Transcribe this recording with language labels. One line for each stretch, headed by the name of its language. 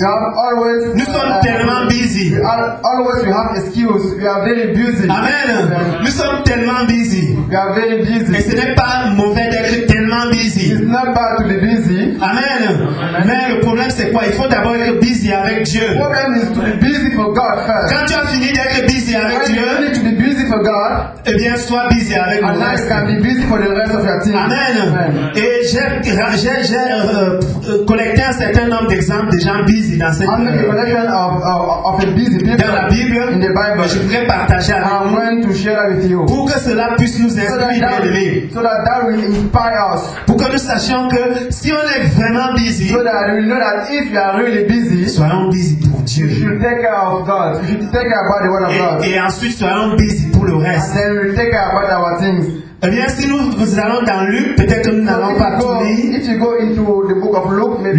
English: We have always,
French: nous sommes tellement busy. Amen. Nous sommes tellement busy.
English: We are very busy.
French: Mais ce n'est pas mauvais d'être tellement busy.
English: It's not bad to be busy. Amen. Amen.
French: Mais le problème, c'est quoi? Il faut d'abord être busy avec Dieu.
English: The problem is to be busy for God first.
French: Quand tu as fini d'être busy avec
English: when
French: Dieu,
English: to be busy for God,
French: eh bien sois busy avec
English: and
French: le reste.
English: Can be busy for the rest of your team. Amen. Amen.
French: Et j'ai collecté un certain nombre d'exemples de gens busy dans cette
English: collection of a busy people
French: dans la Bible,
English: in the Bible.
French: Je voudrais partager
English: avec to share with you.
French: Pour que cela puisse nous inspirer,
English: so that that will inspire us.
French: Pour que nous sachions que si on est vraiment busy,
English: so that we know that if you are really busy,
French: soyons busy pour Dieu.
English: You should take care of God. Take about the word of God.
French: Et ensuite soyons busy pour le reste.
English: And then take about our things.
French: Eh bien, si nous allons dans Luc, peut-être que nous
English: so
French: n'allons pas
English: go,
French: tout
English: if you go into the book of Luke, maybe